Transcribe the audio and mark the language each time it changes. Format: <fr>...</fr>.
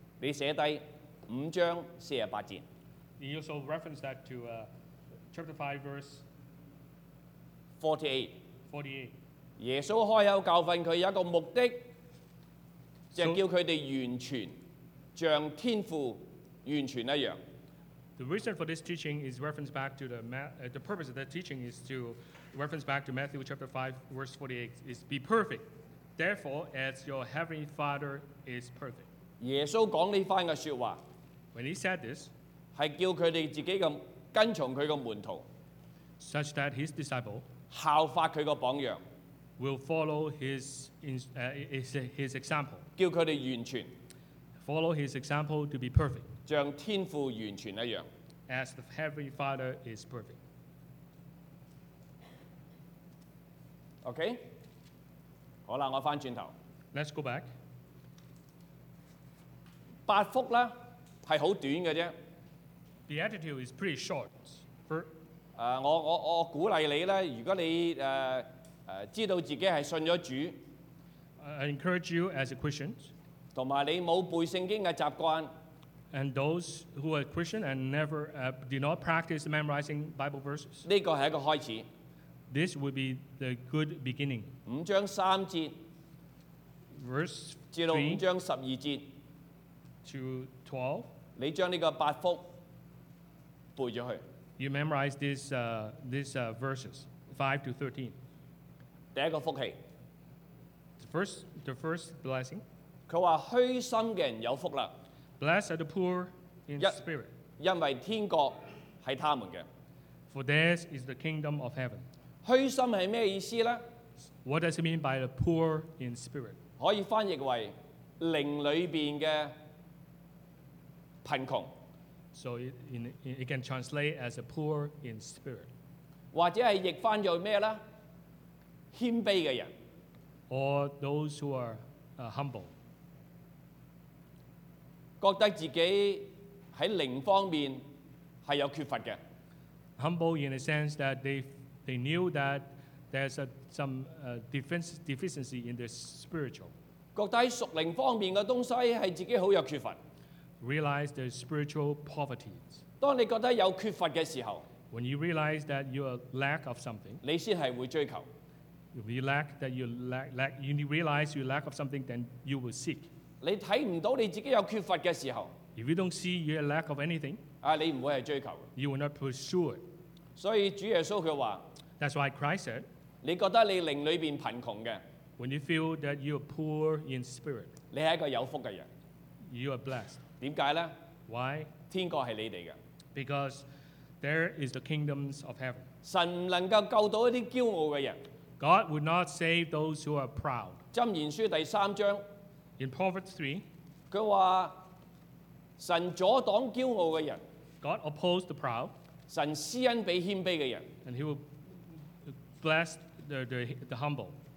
<yue>你寫低五章四十八節。</yue> <en>He also referenced that to chapter 5 verse 48。</en> <yue>48。耶穌開口教訓佢有一個目的，就是、叫佢哋完全像天父完全一樣。</yue> <en>The reason for this teaching is reference back to the purpose of that teaching is to reference back to Matthew chapter 5 verse 48 is be perfect. Therefore, as your heavenly Father is perfect.</en> <yue>耶穌講呢番嘅説話</yue> <en>，When he said this，</en> <yue>係叫佢哋自己嘅跟從佢嘅門徒</yue> <en>，such that his disciple</en> <yue>效法佢個榜樣。</yue> <en>Will follow his example.</en> <yue>叫佢哋完全</yue> <en>follow his example to be perfect.</en> <yue>像天父完全一樣</yue> <en>as the heavenly Father is perfect.</en> <yue>Okay. 好啦，我翻轉頭</yue> <en>Let's go back.</en> <yue>八福咧係好短嘅啫</yue> <en>Beatitude is pretty short.</en> <yue>我鼓勵你咧，如果你知道自己係信咗主</yue> <en>，I encourage you as a Christian，</en> <yue>同埋你冇背聖經嘅習慣</yue> <en>，and those who are Christian and never do not practice memorizing Bible verses，</en> <yue>呢個係一個開始</yue> <en>，this would be the good beginning。</en> <yue>五章三節</yue> <en>，verse</en> <yue>至到五章十二節</yue> <en>，to 12，</en> <yue>你將呢個八福背咗去</yue> <en>，you memorize these verses 5 to 13。</en> <yue>第一個福氣</yue> <en>the first blessing，</en> <yue>佢話虛心嘅人有福啦。</yue> <en>Blessed are the poor in spirit，</en> <yue>因為天國係他們嘅。</yue> <en>For theirs is the kingdom of heaven。</en> <yue>虛心係咩意思咧</yue> <en>？What does it mean by the poor in spirit？</en> <yue>可以翻譯為靈裏邊嘅貧窮。</yue> <en>So it can translate as a poor in spirit。</en> <yue>或者係譯翻做咩咧？謙卑嘅人</yue> <en>，or those who are humble，</en> <yue>覺得自己喺靈方面係有缺乏嘅。</yue> <en>Humble in the sense that they knew that there's some deficiency in the spiritual。</en> <yue>覺得喺屬靈方面嘅東西係自己好有缺乏。</yue> <en>Realize the spiritual poverty。</en> <yue>當你覺得有缺乏嘅時候</yue> <en>，when you realize that you are lack of something，</en> <yue>你先係會追求。</yue> <en>If you lack that you lack, you realize you lack of something, then you will seek.</en> <yue>你睇唔到你自己有缺乏嘅時候</yue> <en>，If you don't see your lack of anything,</en> <yue>啊，你唔會係追求。</yue> <en>You will not pursue it.</en> <yue>所以主耶穌佢話</yue> <en>，That's why Christ said,</en> <yue>你覺得你靈裏邊貧窮嘅</yue> <en>，When you feel that you are poor in spirit,</en> <yue>你係一個有福嘅人</yue> <en>，You are blessed.</en> <yue>點解咧</yue> <en>？Why?</en> <yue>天國係你哋嘅</yue> <en>，Because there is the kingdoms of heaven.</en> <yue>神唔能夠救到一啲驕傲嘅人。</yue> <en>God would not save those who are proud.</en> <yue>箴言書第三章</yue> <en>In Proverbs 3,</en> <yue>佢話神阻擋驕傲嘅人</yue> <en>God opposed the proud.</en> <yue>神施恩俾謙卑嘅人</yue> <en>And he will bless the humble.</en>